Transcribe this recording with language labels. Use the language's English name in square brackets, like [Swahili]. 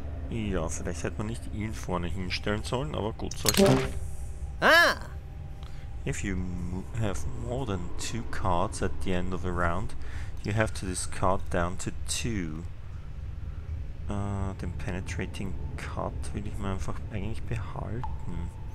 [German] Ja, vielleicht hätte man nicht ihn vorne hinstellen sollen, aber gut, solche. [English] If you have more than two cards at the end of a round, you have to discard down to two. [German] Den Penetrating Cut will ich mir einfach eigentlich behalten.